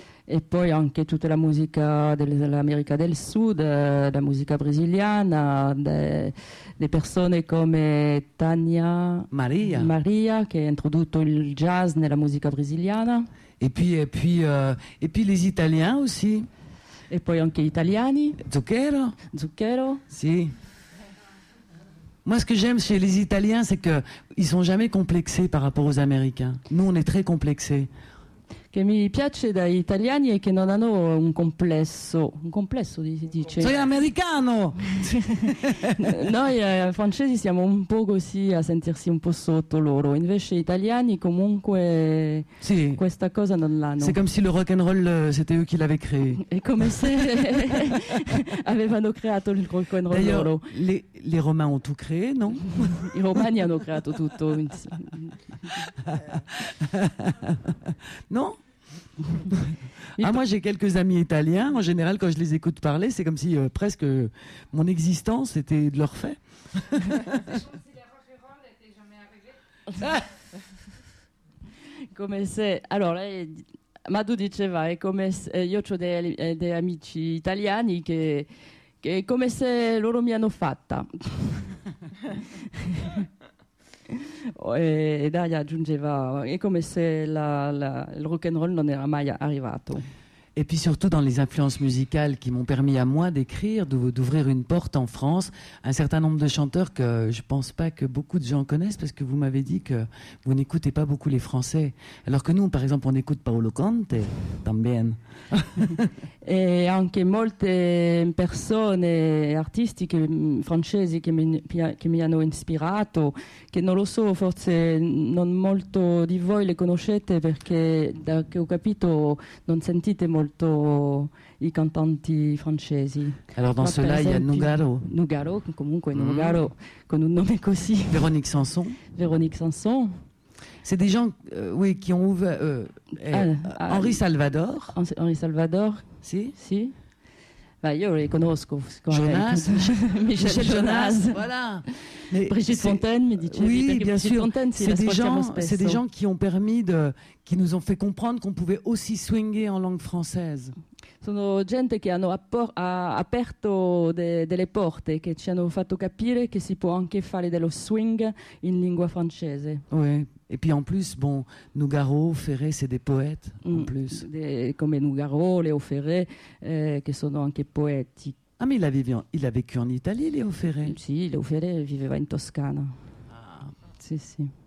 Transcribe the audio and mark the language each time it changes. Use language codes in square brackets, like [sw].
[it] E poi anche tutta la musica dell'America del Sud, la musica brasiliana, le persone come Tania Maria. Maria, che ha introdotto il jazz nella musica brasiliana. E poi gli italiani aussi. E poi anche gli italiani. Zucchero. Sì. [fr] Moi, ce que j'aime chez les italiens, c'est qu'ils ne sont jamais complexés par rapport aux américains. Nous, on est très complexés. [it] Che mi piace dagli italiani è che non hanno un complesso si dice. Sei americano! Noi francesi siamo un po' così a sentirsi un po' sotto loro, invece gli italiani comunque sì. Questa cosa non l'hanno. [fr] C'est comme si le rock and roll c'était eux qui l'avaient créé. [it] È come se avevano creato il rock and roll [fr] d'ailleurs, [it] loro. [fr] Les Romains ont tout créé, non? [it] I Romani hanno creato tutto. Non? [fr] Ah, moi j'ai quelques amis italiens, en général quand je les écoute parler c'est comme si presque mon existence était de leur fait. [it] Come se, alors là, Madu diceva, è come se, io ho dei amici italiani che è come se loro mi hanno fatta. E Daria aggiungeva, è come se il rock and roll non era mai arrivato. E poi soprattutto [fr] dans les influences musicales qui m'ont permis à moi d'écrire, d'ouvrir une porte en France, un certain nombre de chanteurs que je pense pas que beaucoup de gens connaissent, parce que vous m'avez dit que vous n'écoutez pas beaucoup les Français. Alors que nous, par exemple, on écoute Paolo Conte, también. [it] E anche molte persone artistiche francesi che mi hanno ispirato, che non lo so, forse non molto di voi le conoscete, perché da che ho capito non sentite molto i cantanti francesi. [fr] Alors dans cela il y a Nougaro. [it] Nougaro, comunque Nougaro, con un nome così. [fr] Véronique Sanson. C'est des gens oui, qui ont ouvert... Henri Salvador. Henri Salvador. [it] Si. Si. Bah, io li conosco. [fr] Jonas. Michel Jonas. Voilà. Mais Brigitte Fontaine, mais dites-le. Oui, bien sûr. C'est des gens qui nous ont fait comprendre qu'on pouvait aussi swinguer en langue française. [it] Sono gente che hanno aperto delle porte, che ci hanno fatto capire che si può anche fare dello swing in lingua francese. [fr] Oui. Et puis en plus, bon, Nougaro, Ferré, c'est des poètes, en plus. Comme Nougaro, Léo Ferré, qui sont anche poètes. Ah, mais il a vécu en Italie, Léo Ferré. Si, Léo Ferré vivait en Toscane. Ah. Si, si.